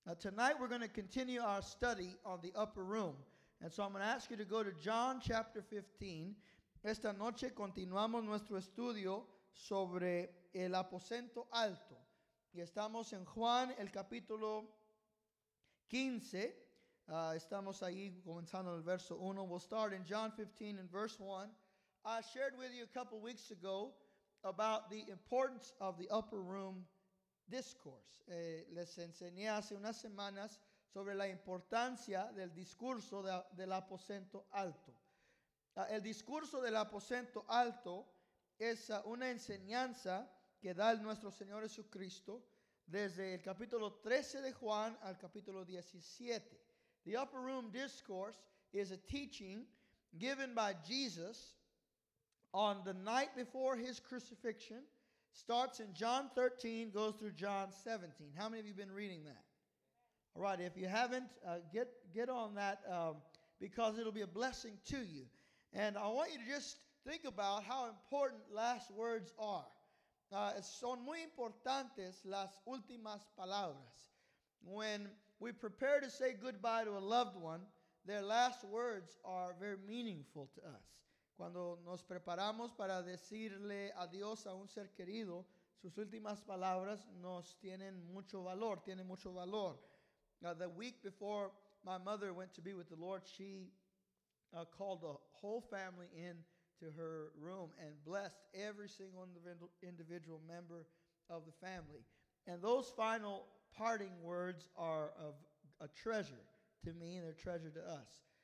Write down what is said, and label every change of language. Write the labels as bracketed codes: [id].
[en] Tonight we're going to continue our study on the upper room. And so I'm going to ask you to go to John chapter 15. [es] Esta noche continuamos nuestro estudio sobre el aposento alto. Y estamos en Juan el capítulo 15. Estamos ahí comenzando el verso 1. [en] We'll start in John 15 and verse 1. I shared with you a couple weeks ago about the importance of the upper room discourse. [es] Les enseñé hace unas semanas sobre la importancia del discurso del aposento alto. El discurso del aposento alto es una enseñanza que da el nuestro Señor Jesucristo desde el capítulo 13 de Juan al capítulo 17. [en] The upper room discourse is a teaching given by Jesus on the night before his crucifixion. Starts in John 13, goes through John 17. How many of you have been reading that? All right, if you haven't, get on that because it'll be a blessing to you. And I want you to just think about how important last words are. [es] Son muy importantes las últimas palabras. [en] When we prepare to say goodbye to a loved one, their last words are very meaningful to us. [es] Cuando nos preparamos para decirle adiós a un ser querido, sus últimas palabras nos tienen mucho valor, tienen mucho valor. [en] Now, the week before my mother went to be with the Lord, she called the whole family in to her room and blessed every single individual member of the family. And those final parting words are of a treasure to me and a treasure to us.